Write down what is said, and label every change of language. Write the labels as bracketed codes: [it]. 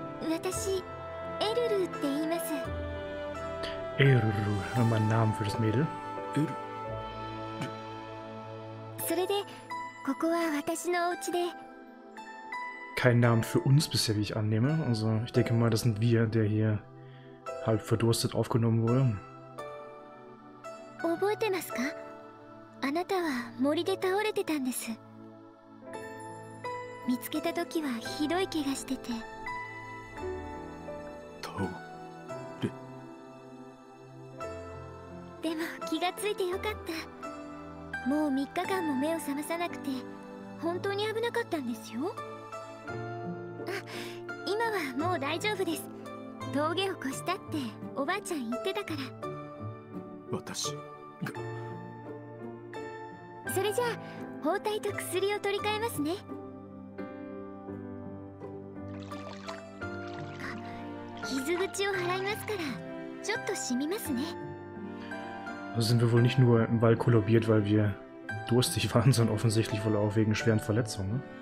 [ja] 私エルルって言います。 [de] エルル、mein Name für das Mädel。 [ja] エルル、それでここは私のお家で。 [de] Kein Name für uns bisher, wie ich annehme. Also ich denke mal, das sind wir, der hier halb verdurstet aufgenommen wurde. [ja] 覚えてますか？あなたは森で倒れてたんです。見つけた時はひどい怪我してて。倒れ。でも気がついてよかった。もう3日間も目を覚まさなくて本当に危なかったんですよ。あ、今はもう大丈夫です。峠を越したっておばあちゃん言ってたから。私が。それじゃあ包帯と薬を取り替えますね。傷口を払いますから、ちょっと染みますね。 [de] Sind wir wohl nicht nur im Wald kollabiert, weil wir durstig waren, sondern offensichtlich wohl auch wegen schweren Verletzungen?